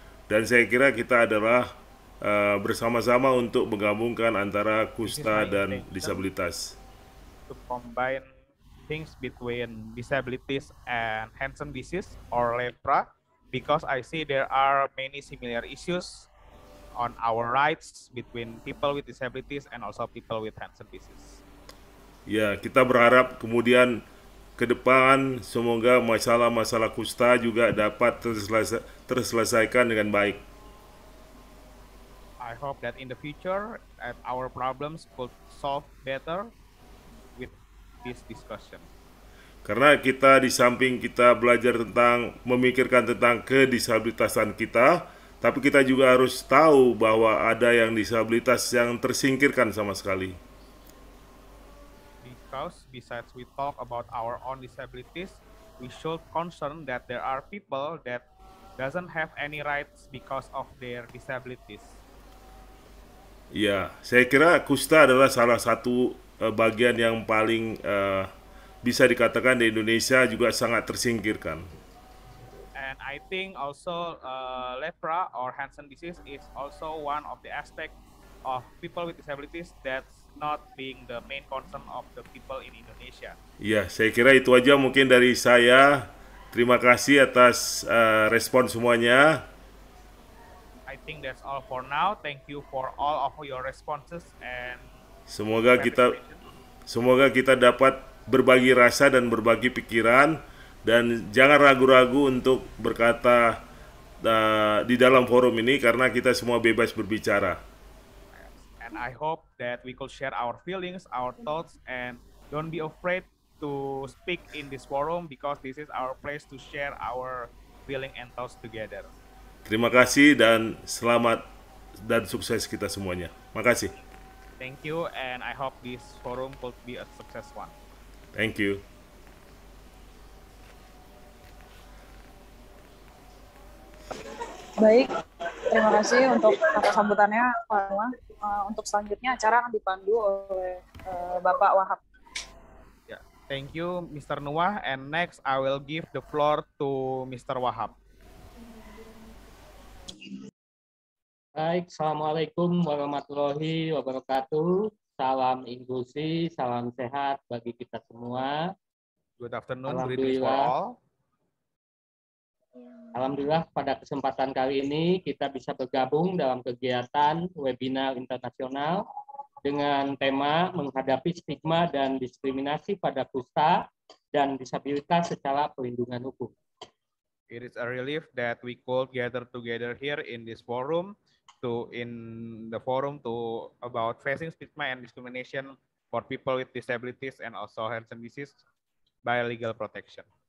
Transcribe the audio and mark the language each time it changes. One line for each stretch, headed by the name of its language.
Indonesian: Dan saya kira kita adalah bersama-sama untuk menggabungkan antara kusta dan disabilitas.
English: To combine things between disabilities and Hansen disease or lepra, because I see there are many similar issues on our rights between people with disabilities and also people with Hansen disease.
Indonesian: Ya, kita berharap kemudian ke depan semoga masalah-masalah kusta juga dapat terselesaikan dengan baik.
English: I hope that in the future that our problems could solve better with this discussion.
Indonesian: Karena kita di samping kita belajar tentang memikirkan tentang kedisabilitasan kita, tapi kita juga harus tahu bahwa ada yang disabilitas yang tersingkirkan sama sekali.
English: Because besides we talk about our own disabilities, we should concern that there are people that doesn't have any rights because of their disabilities.
Indonesian: Ya, saya kira kusta adalah salah satu bagian yang paling bisa dikatakan di Indonesia juga sangat tersingkirkan.
English: And I think also lepra or Hansen disease is also one of the aspect of people with disabilities that not being the main concern of the people in Indonesia.
Indonesian: Ya, saya kira itu aja mungkin dari saya. Terima kasih atas respon semuanya.
English: I think that's all for now. Thank you for all of your responses and
Indonesian: semoga kita dapat berbagi rasa dan berbagi pikiran, dan jangan ragu-ragu untuk berkata di dalam forum ini karena kita semua bebas berbicara.
English: And I hope that we could share our feelings, our thoughts, and don't be afraid to speak in this forum because this is our place to share our feeling and thoughts together.
Indonesian: Terima kasih dan selamat dan sukses kita semuanya. Makasih.
English: Thank you, and I hope this forum could be a success one. Thank you.
Indonesian: Baik, terima kasih untuk atas sambutannya, Pak Wahab. Untuk selanjutnya acara akan dipandu oleh Bapak Wahab.
English: Yeah. Thank you, Mr. Nuah. And next, I will give the floor to Mr. Wahab.
Indonesian: Baik, assalamualaikum warahmatullahi wabarakatuh. Salam inklusi, salam sehat bagi kita semua.
English: Good afternoon, greetings for all.
Indonesian: Alhamdulillah pada kesempatan kali ini kita bisa bergabung dalam kegiatan webinar internasional dengan tema menghadapi stigma dan diskriminasi pada kusta dan disabilitas secara perlindungan hukum.
English: It is a relief that we could gather together here in this forum about facing stigma and discrimination for people with disabilities and also Hansen disease by legal protection.